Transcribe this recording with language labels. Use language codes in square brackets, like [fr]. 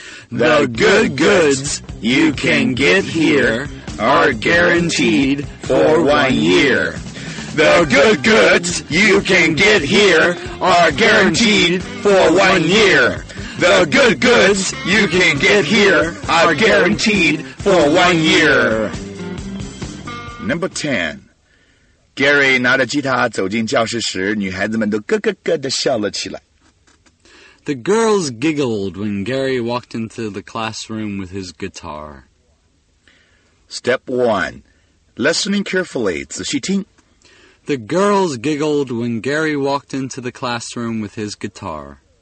[en] The good goods you can get here are guaranteed for 1 year. The good goods you can get here are guaranteed for 1 year. The good goods you can get here are guaranteed for 1 year. Number 10. [zh] Gary 拿着吉他走进教室时，女孩子们都咯咯咯地笑了起来。 [en] The girls giggled when Gary walked into the classroom with his guitar. Step 1. Listening carefully, [zh] 仔细听。 [en] The girls giggled when Gary walked into the classroom with his guitar.